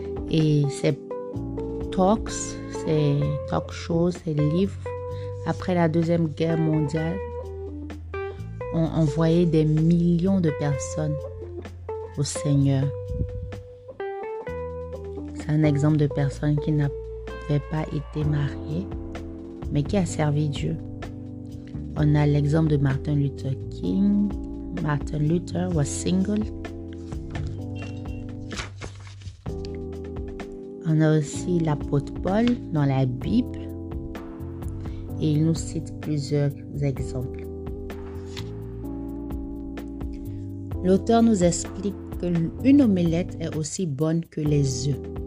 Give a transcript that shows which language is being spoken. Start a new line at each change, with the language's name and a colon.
French: Et ces talk shows, ces livres, après la Deuxième Guerre mondiale, ont envoyé des millions de personnes au Seigneur. C'est un exemple de personne qui n'avait pas été mariée, mais qui a servi Dieu. On a l'exemple de Martin Luther King.
English: Martin Luther was single.
French: On a aussi l'apôtre Paul dans la Bible. Et il nous cite plusieurs exemples. L'auteur nous explique qu'une omelette est aussi bonne que les œufs.